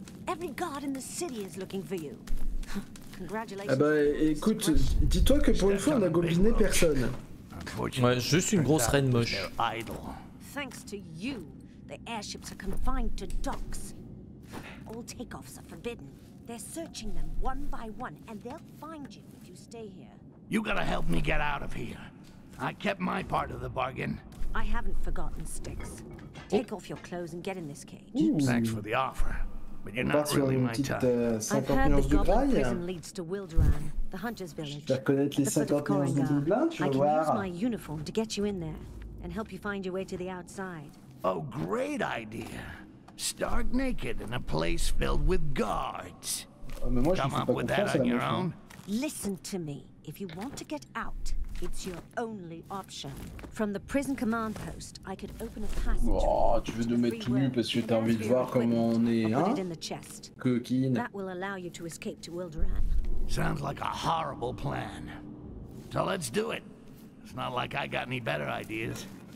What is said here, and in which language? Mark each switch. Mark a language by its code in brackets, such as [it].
[en] Every god in the city is looking for you! [fr] Ah bah écoute, dis-toi que pour une fois on a gobliné personne! Ouais, juste une grosse reine moche! [en] Thanks to you, the airships are confined to docks! All takeoffs are forbidden! They're searching them one by one and they'll find you if you stay here. You gotta help me get out of here. I kept my part of the bargain. I haven't forgotten, Styx. Take off your clothes and get in this cage. Thanks for the offer, but you're not really my type. I've heard the Goblin prison leads to Wildran, the Hunter's village. The foot of Corringar. I can use my uniform to get you in there and help you find your way to the outside. Oh, great idea. Stark naked in a place filled with guards. Come up with that on your own. Listen to me. If you want to get out, it's your only option. From the prison command post, I could open a passage. [fr] Oh, tu veux nous mettre tout nu parce que t'as envie de voir comment on est, hein? [en] Put it in the chest. [fr] Coquine. [en] That will allow you to escape to Wildran. Sounds like a horrible plan. So let's do it. It's not like I got any better ideas.